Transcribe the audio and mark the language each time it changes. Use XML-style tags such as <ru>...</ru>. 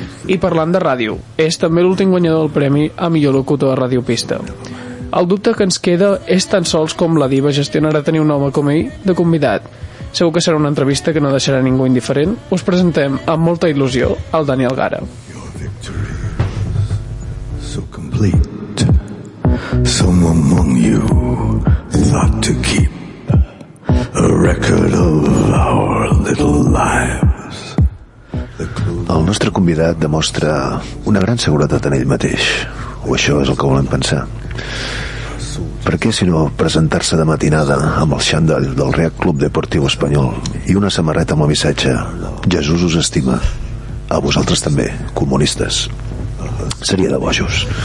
<ca>I parlant de ràdio, és també l'últim guanyador del premi a millor locutor de Ràdio Pista. El dubte que ens queda és tan sols com la diva gestionarà tenir un home com ell de convidat. Segur que serà una entrevista que no deixarà ningú indiferent. Us presentem amb molta il·lusió el Daniel Gara.</ca> <en>So complete. Someone among you thought to keep a record of our little lives.</en> <ca>El nostre convidat demostra una gran seguretat en ell mateix, o això és el que volem pensar. Per què, si no, presentar-se de matinada amb el xandall del Real Club Deportiu Espanyol i una samarreta amb el missatge Jesús us estima, a vosaltres també, comunistes? Seria de bojos.</ca>